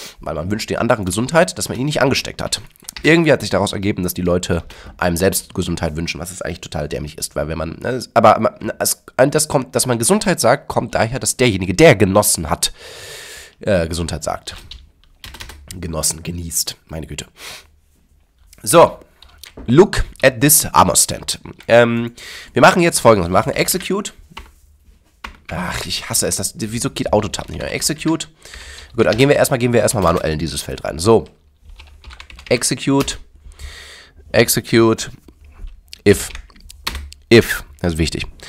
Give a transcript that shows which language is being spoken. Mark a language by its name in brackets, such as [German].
[German] Weil man wünscht den anderen Gesundheit, dass man ihn nicht angesteckt hat. Irgendwie hat sich daraus ergeben, dass die Leute einem selbst Gesundheit wünschen, was es eigentlich total dämlich ist. Weil wenn man, aber das kommt, dass man Gesundheit sagt, kommt daher, dass derjenige, der genossen hat, Gesundheit sagt. Genossen, genießt, meine Güte. [English] So, look at this armor stand. [German] Wir machen jetzt Folgendes, wir machen Execute. Ach, ich hasse es, wieso geht Autotab nicht mehr? Execute. Gut, dann gehen wir erstmal manuell in dieses Feld rein. So, execute, if, das ist wichtig.